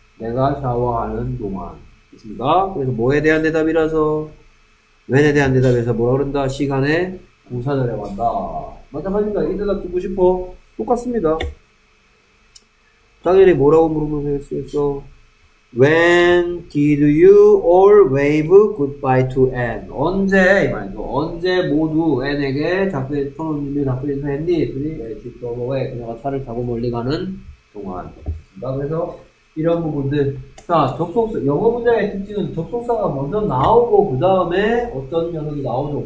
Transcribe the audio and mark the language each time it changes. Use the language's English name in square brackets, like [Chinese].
[Korean] 내가 샤워하는 동안. 그렇습니다. 그래서 뭐에 대한 대답이라서 when에 대한 대답에서 뭐라 그런다? 시간에 부사를 해봤다. 마찬가지입니다. 이 대답 듣고 싶어. 똑같습니다. 당연히 뭐라고 물으면 되겠어요? [English] When did you all wave goodbye to Anne? [Korean] 언제, 이 말이죠. 언제 모두 Anne에게 잡혀, 손님이 잡혀진 했니? 그니, 그녀가 차를 타고 멀리 가는 동안. 그래서, 이런 부분들. 자, 접속사, 영어 문장의 특징은 접속사가 먼저 나오고, 그 다음에 어떤 녀석이 나오죠.